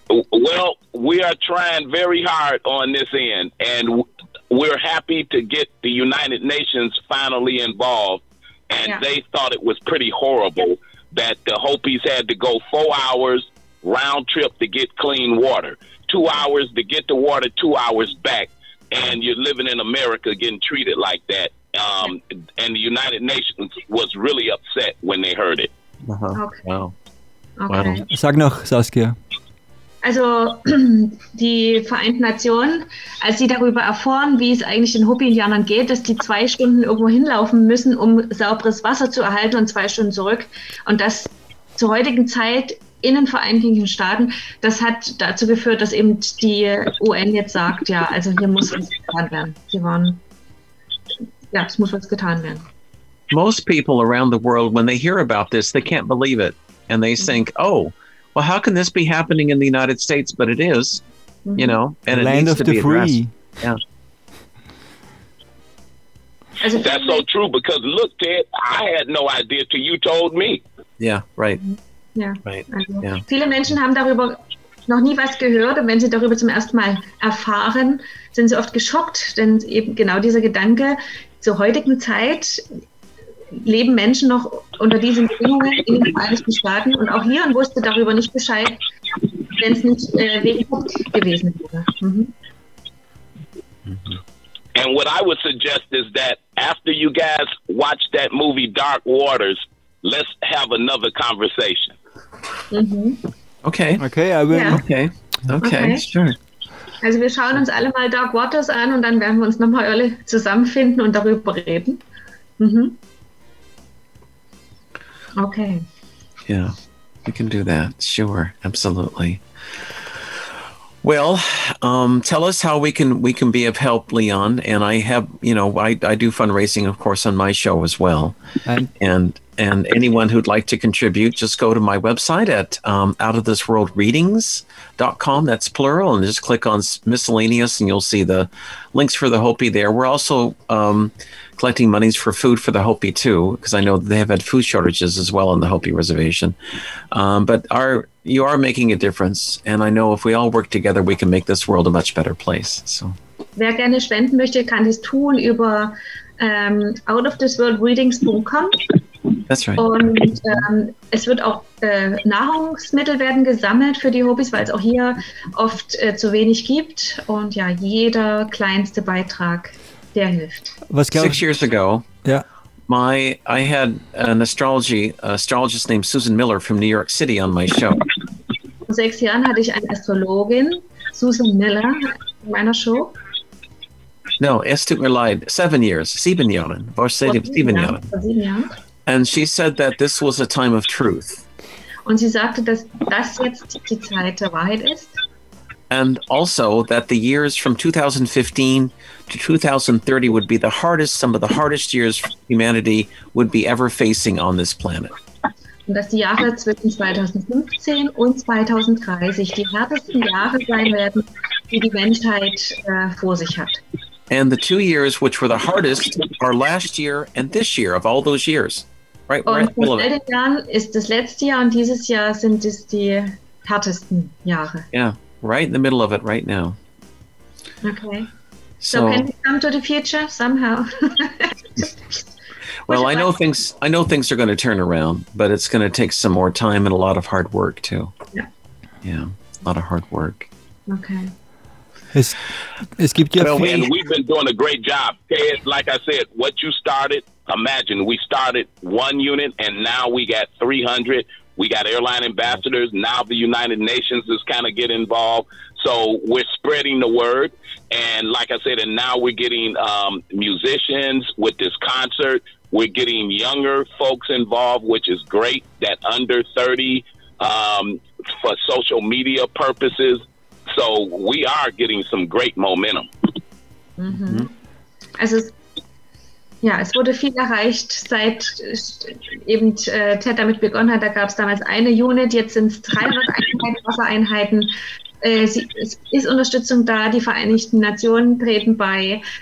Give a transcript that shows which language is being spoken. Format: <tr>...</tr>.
<en>Well, we are trying very hard on this end, and we're happy to get the United Nations finally involved, and yeah, they thought it was pretty horrible that the Hopis had to go 4 hours round trip to get clean water, 2 hours to get the water, 2 hours back, and you're living in America getting treated like that. And the United Nations was really upset when they heard it. Okay. Wow. Okay.</en> <de>Sag noch, Saskia. Also die Vereinten Nationen, als sie darüber erfahren, wie es eigentlich den Hopi-Indianern geht, dass die 2 Stunden irgendwo hinlaufen müssen, um sauberes Wasser zu erhalten und 2 Stunden zurück. Und das zur heutigen Zeit in den Vereinigten Staaten, das hat dazu geführt, dass eben die UN jetzt sagt, ja, also hier muss was getan werden. Es muss was getan werden.</de> <en>Most people around the world, when they hear about this, they can't believe it. And they think, oh, well, how can this be happening in the United States? But it is, you know, and it needs to be addressed. Yeah. That's so true, because look, Ted, I had no idea till you told me. Yeah, right. Yeah. Right. Also, yeah.</en> <de>Viele Menschen haben darüber noch nie was gehört, und wenn sie darüber zum ersten Mal erfahren, sind sie oft geschockt, denn eben genau dieser Gedanke, zur heutigen Zeit leben Menschen noch unter diesen Bedingungen in den Vereinigten Staaten, und auch Leon wusste darüber nicht Bescheid, wenn es nicht wegen Hopi gewesen wäre.</de> <en>And what I would suggest is that after you guys watch that movie Dark Waters, let's have another conversation. Okay. Okay, I will. Yeah. Okay. Okay. Okay, sure.</en> <de>Also wir schauen uns alle mal Dark Waters an, und dann werden wir uns nochmal alle zusammenfinden und darüber reden.</de> <en>Okay. Yeah, we can do that. Sure, absolutely. Well, tell us how we can be of help, Leon. And I have, you know, I do fundraising, of course, on my show as well. And anyone who'd like to contribute, just go to my website at outofthisworldreadings.com. That's plural. And just click on miscellaneous, and you'll see the links for the Hopi there. We're also collecting monies for food for the Hopi, too, because I know they have had food shortages as well on the Hopi reservation. But you are making a difference. And I know if we all work together, we can make this world a much better place. So,</en> <de>wer gerne spenden möchte, kann das tun über outofthisworldreadings.com.</de> <en>That's right.</en> <de>Und es wird auch Nahrungsmittel werden gesammelt für die Hopis, weil es auch hier oft zu wenig gibt. Und ja, jeder kleinste Beitrag, der hilft. Was glaubst du?</de> <en>6 years ago, yeah, I had an astrologist named Susan Miller from New York City on my show.</en> <de>Vor 6 Jahren hatte ich eine Astrologin, Susan Miller, in meiner Show. No, es tut mir leid. 7 years. 7 Jahren. Vor 7 Jahren.</de> <en>And she said that this was a time of truth.</en> <de>Und sie sagte, dass das jetzt die Zeit der Wahrheit ist.</de> <en>And also that the years from 2015 to 2030 would be some of the hardest years humanity would be ever facing on this planet.</en> <de>Und dass die Jahre zwischen 2015 und 2030 die härtesten Jahre sein werden, die die Menschheit vor sich hat.</de> <en>And the 2 years which were the hardest are last year and this year of all those years. Right?</en> <de>Und in den letzten Jahren ist das letzte Jahr, und dieses Jahr sind es die härtesten Jahre.</de> <en>Yeah, right in the middle of it right now. Okay. So can we come to the future somehow? Well, I know things are going to turn around, but it's going to take some more time and a lot of hard work too. Yeah. Yeah, a lot of hard work. Okay.</en> <de>Es gibt ja viel.</de> <en>And we've been doing a great job. Ted, like I said, what you started, imagine we started one unit and now we got 300. We got airline ambassadors. Now the United Nations is kind of getting involved. So we're spreading the word. And like I said, and now we're getting musicians with this concert. We're getting younger folks involved, which is great, that under 30 for social media purposes. So we are getting some great momentum. Mm-hmm.</en> <de>Also, ja, es wurde viel erreicht, seit eben Ted damit begonnen hat. Da gab es damals eine Unit, jetzt sind es 300 Einheiten, Wassereinheiten. Es ist Unterstützung da, die Vereinigten Nationen treten bei.</de>